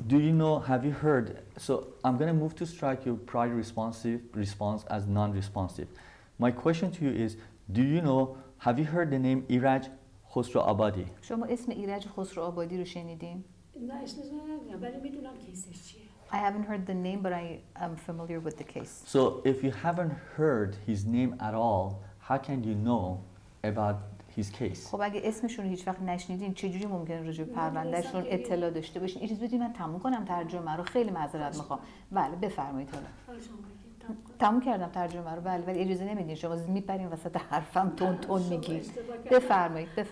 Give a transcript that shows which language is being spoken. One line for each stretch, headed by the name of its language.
English: Do you know, have you heard, so I'm going to move to strike your prior response as non-responsive. My question to you is, do you know, have you heard the name Iraj Khosroabadi?
Persian: شما اسم ایرج خسرو آبادی رو شنیدین؟ نه اسمش نمیدونم ولی میدونم کیسش چیه.
English: I haven't heard the name but I am familiar with the case. So if you haven't heard his name at all, how can you know about his case?
Persian: خب اگه اسمشون رو هیچ وقت نشنیدین چجوری ممکن راجع به پروندهشون اطلاع داشته باشین؟ اجازه بدید من تموم کنم ترجمه رو. خیلی معذرت میخوام. بله بفرمایید حالا. تموم کردم ترجمه رو بله ولی اجازه نمیدین شما میپرین وسط حرفم تون میگین بفرمایید